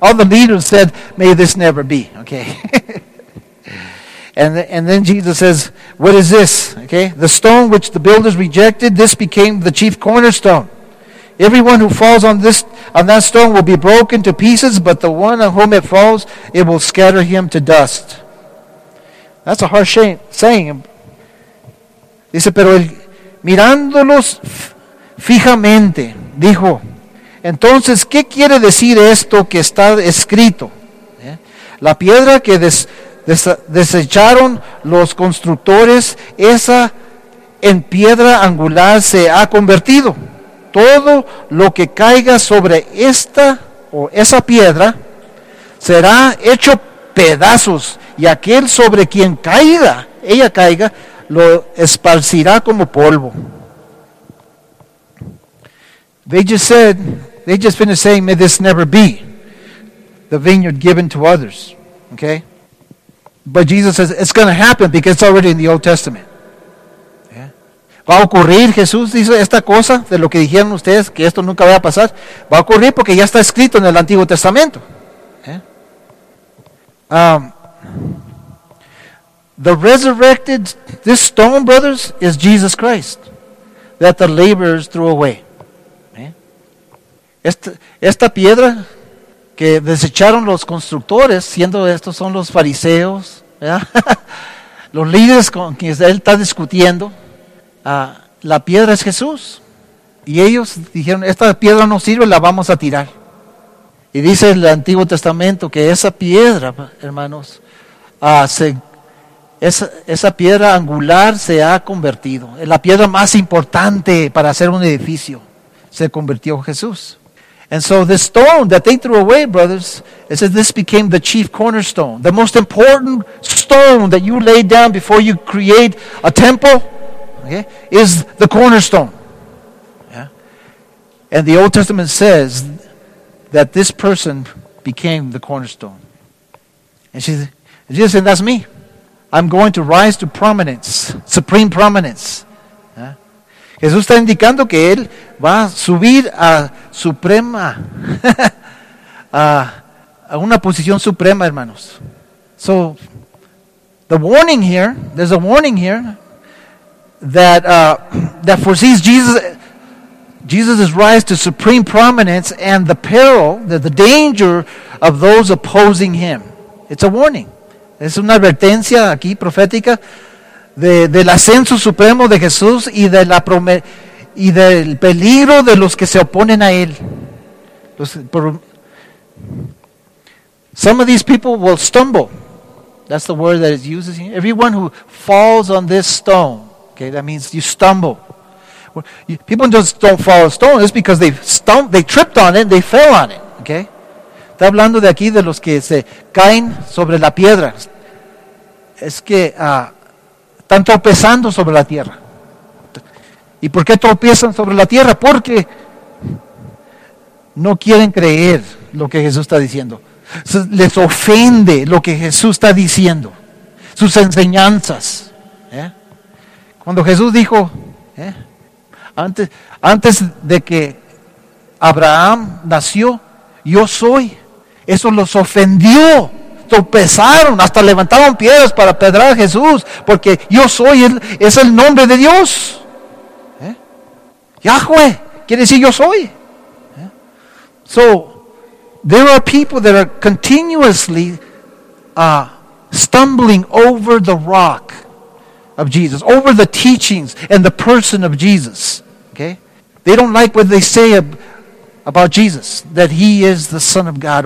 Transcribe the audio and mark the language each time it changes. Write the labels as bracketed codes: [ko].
[en] All the leaders said, "May this never be." Okay. And then Jesus says, "What is this?" Okay, "The stone which the builders rejected, this became the chief cornerstone. Everyone who falls on this on that stone will be broken to pieces, but the one on whom it falls, it will scatter him to dust." That's a harsh saying. [es] Dice, pero él, mirándolos fijamente, dijo, "Entonces, ¿qué quiere decir esto que está escrito? La piedra que desecharon los constructores, esa en piedra angular se ha convertido. Todo lo que caiga sobre esta o esa piedra será hecho pedazos, y aquel sobre quien caiga, ella caiga, lo esparcirá como polvo." [en] They just finished saying, "May this never be, the vineyard given to others." Okay? But Jesus says, it's going to happen because it's already in the Old Testament. [es] Va a ocurrir, Jesús dice, esta cosa de lo que dijeron ustedes, que esto nunca va a pasar, va a ocurrir porque ya está escrito en el Antiguo Testamento. [en] The resurrected, this stone, brothers, is Jesus Christ that the laborers threw away. [es] Esta piedra que desecharon los constructores, siendo estos son los fariseos, los líderes con quienes él está discutiendo, la piedra es Jesús. Y ellos dijeron, esta piedra no sirve, la vamos a tirar. Y dice el Antiguo Testamento que esa piedra, hermanos, esa piedra angular se ha convertido. La piedra más importante para hacer un edificio se convirtió en Jesús. [en] And so the stone that they threw away, brothers, it says this became the chief cornerstone. The most important stone that you lay down before you create a temple, okay, is the cornerstone. Yeah. And the Old Testament says that this person became the cornerstone. And Jesus said, that's me. I'm going to rise to prominence, supreme prominence. Yeah. [es] Jesús está indicando que él va a subir a suprema, a una posición suprema, hermanos. [en] So, the warning here, there's a warning here, that foresees Jesus' rise to supreme prominence and the peril, the danger of those opposing him. It's a warning. [es] Es una advertencia aquí profética del ascenso supremo de Jesús y de la y del peligro de los que se oponen a él. [en] Some of these people will stumble. That's the word that is used here. Everyone who falls on this stone. Okay, that means you stumble. People just don't fall a stone. It's because they tripped on it and they fell on it. Okay? [es] Está hablando de aquí de los que se caen sobre la piedra. Es que están tropezando sobre la tierra. ¿Y por qué tropiezan sobre la tierra? Porque no quieren creer lo que Jesús está diciendo. Les ofende lo que Jesús está diciendo. Sus enseñanzas. Cuando Jesús dijo, antes de que Abraham nació, yo soy, eso los ofendió, tropezaron, hasta levantaron piedras para apedrear a Jesús, porque yo soy es el nombre de Dios. Yahweh quiere decir yo soy. [en] So, there are people that are continuously stumbling over the rock of Jesus, over the teachings and the person of Jesus. Okay, they don't like what they say about Jesus, that he is the Son of God.